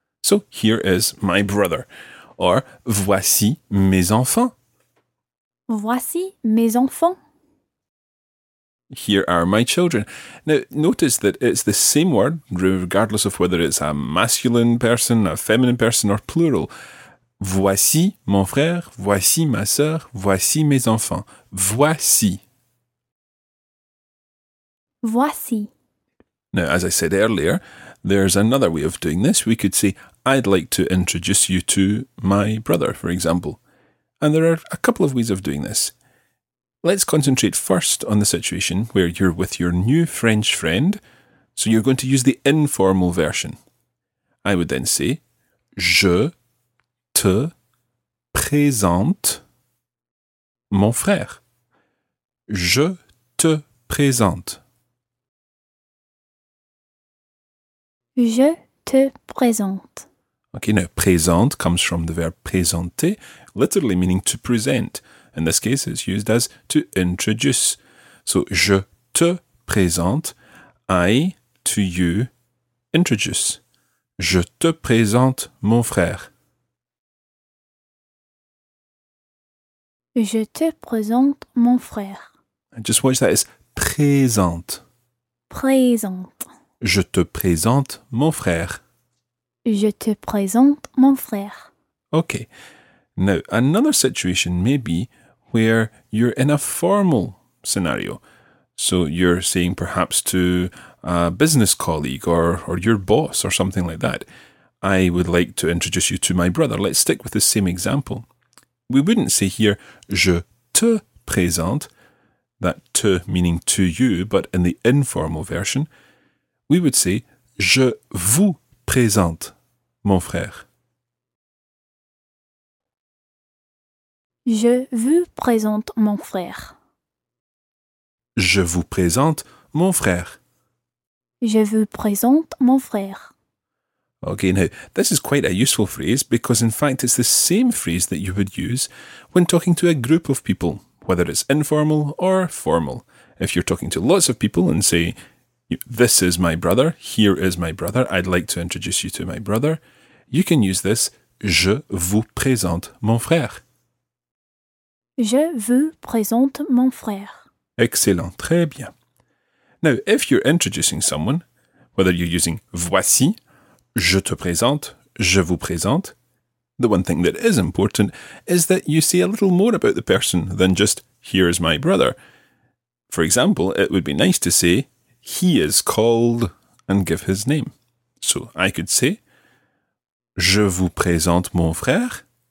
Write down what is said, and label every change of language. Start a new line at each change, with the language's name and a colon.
English: So here is my brother. Or,
French: voici mes enfants. Voici mes enfants.
English: Here are my children. Now, notice that it's the same word, regardless of whether it's a masculine person, a feminine person, or plural.
French: Voici mon frère, voici ma sœur, voici mes enfants. Voici. Voici.
English: Now, as I said earlier, there's another way of doing this. We could say, I'd like to introduce you to my brother, for example. And there are a couple of ways of doing this. Let's concentrate first on the situation where you're with your new French friend, so you're going to use the informal version. I would then say,
French: je te présente mon frère. Je te présente. Je te présente.
English: Okay, now, présente comes from the verb présenter, literally meaning to present. In this case, it's used as to introduce. So,
French: je te présente.
English: I, to you, introduce.
French: Je te présente mon frère. Je te présente mon frère.
English: Just watch that. It's présente.
French: Présente. Je te présente mon frère. Je te présente mon frère.
English: Okay. Now, another situation may be where you're in a formal scenario. So you're saying perhaps to a business colleague or your boss or something like that, I would like to introduce you to my brother. Let's stick with the same example. We wouldn't say here,
French: je te présente,
English: that te meaning to you, but in the informal version, we would say,
French: je vous présente, mon frère. Je vous présente mon frère. Je vous présente mon frère. Je vous présente mon frère.
English: Okay, now, this is quite a useful phrase because, in fact, it's the same phrase that you would use when talking to a group of people, whether it's informal or formal. If you're talking to lots of people and say, this is my brother, here is my brother, I'd like to introduce you to my brother, you can use this,
French: je vous présente mon frère. Je vous présente mon frère.
English: Excellent,
French: très bien.
English: Now, if you're introducing someone, whether you're using voici,
French: je te présente, je vous présente,
English: the one thing that is important is that you say a little more about the person than just here is my brother. For example, it would be nice to say he is called and give his name. So I could say,
French: je vous présente mon frère.